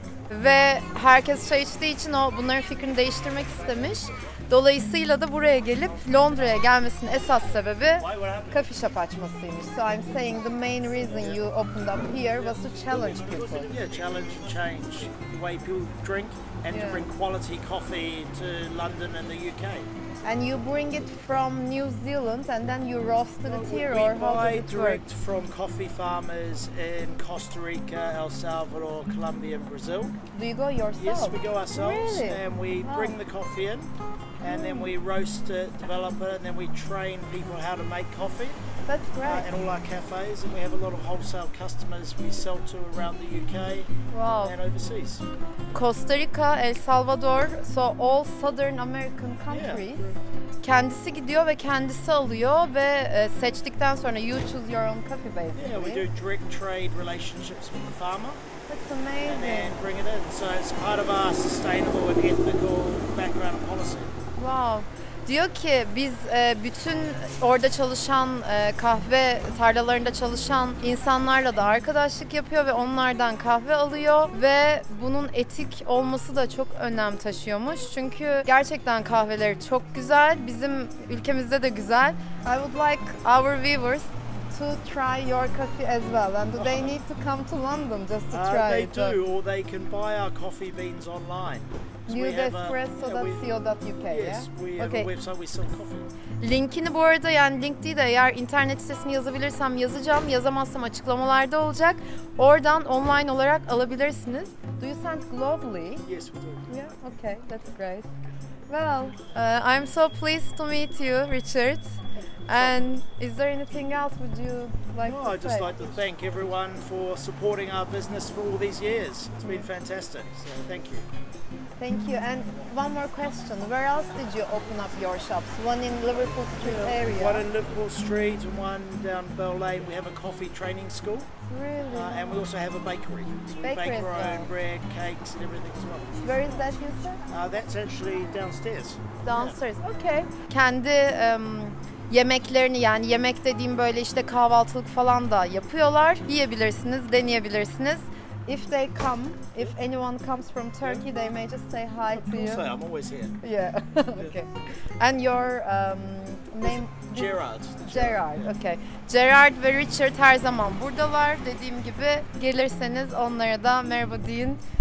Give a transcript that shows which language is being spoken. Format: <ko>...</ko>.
<tr>Ve herkes çay içtiği için o bunların fikrini değiştirmek istemiş. Dolayısıyla da buraya gelip Londra'ya gelmesinin esas sebebi coffee shop açmasıymış.</tr> <en>So I'm saying the main reason you opened up here was to challenge people. Yeah, challenge and change the way people drink and to bring quality coffee to London and the UK. And you bring it from New Zealand and then you roast it here, we or how buy does it direct work? From coffee farmers in Costa Rica, El Salvador, Colombia and Brazil. Do you go yourself? Yes, we go ourselves. Really? And we bring the coffee in and then we roast it, develop it, and then we train people how to make coffee. That's great. And all our cafes, and we have a lot of wholesale customers we sell to around the UK and overseas. Costa Rica, El Salvador, so all Southern American countries. Yeah.</en> <tr>Kendisi gidiyor ve kendisi alıyor ve seçtikten sonra</tr> <en>you choose your own coffee basically. Yeah, we do direct trade relationships with the farmer. That's amazing. And then bring it in. So it's part of our sustainable and ethical background and policy. Wow.</en> <tr>Diyor ki biz bütün orada çalışan kahve tarlalarında çalışan insanlarla da arkadaşlık yapıyor ve onlardan kahve alıyor ve bunun etik olması da çok önem taşıyormuş. Çünkü gerçekten kahveleri çok güzel. Bizim ülkemizde de güzel.</tr> <en>I would like our viewers to try your coffee as well. And do they need to come to London just to try it? They do, or they can buy our coffee beans online. newsexpress.co.uk Okay. Website, we sell coffee.</en> <tr>Linkini bu arada yani link değil de eğer internet sitesini yazabilirsem yazacağım. Yazamazsam açıklamalarda olacak. Oradan online olarak alabilirsiniz.</tr> <en>Do you send globally? Yes, we do. Yeah, okay, that's great. Well, I'm so pleased to meet you, Richard. And is there anything else would you like to say? I'd just like to thank everyone for supporting our business for all these years. It's been fantastic. So thank you. Thank you. And one more question. Where else did you open up your shops? One in Liverpool Street area? One in Liverpool Street, one down Bell Lane. We have a coffee training school. Really? And we also have a bakery. Bakery. We bake our own bread, cakes and everything as well. Where is that, Houston? That's actually downstairs. Downstairs, yeah. Okay.</en> <tr>Kendi yemeklerini yani yemek dediğim böyle işte kahvaltılık falan da yapıyorlar. Yiyebilirsiniz, deneyebilirsiniz.</tr> <en>If they come, if anyone comes from Turkey, they may just say hi to you. Also, I'm always here. Yeah. Okay. And your name? Gerard.</en> <tr>Gerard. Okay. Gerard ve Richard her zaman buradalar. Dediğim gibi gelirseniz onlara da merhaba deyin.</tr>